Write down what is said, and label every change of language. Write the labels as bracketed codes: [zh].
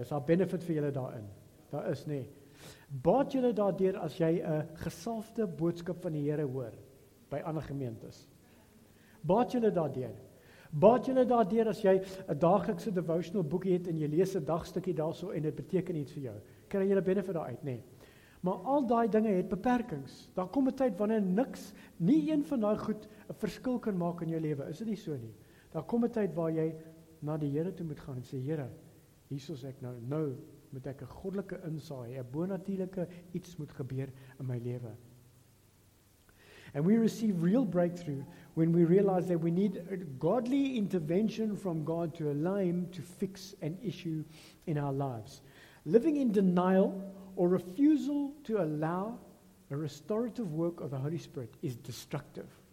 [af] Is daar benefit vir julle daarin? Daar is nie. Baat julle daardeur as jy 'n gesalfde boodskap van die Here hoor by ander gemeentes. Baat julle daardeur. Baat julle daardeur as jy 'n daaglikse devotional boekie het en jy lees 'n dagstukkie daarso en dit beteken iets vir jou. Kry julle benefit daaruit, nê? Maar al daai dinge het beperkings. Daar kom 'n tyd wanneer niks, nie een van daai goed 'n verskil kan maak in jou lewe. Is dit nie so nie? Daar kom 'n tyd waar jy na die Here toe moet gaan en sê, Here, hiersoos ek nou moet ek 'n goddelike insaai, 'n bonatuurlike iets moet gebeur in my lewe. [en] And we receive real breakthrough when we realize that we need a godly intervention from God to align, to fix an issue in our lives. Living in denial or refusal to allow a restorative work of the Holy Spirit is destructive.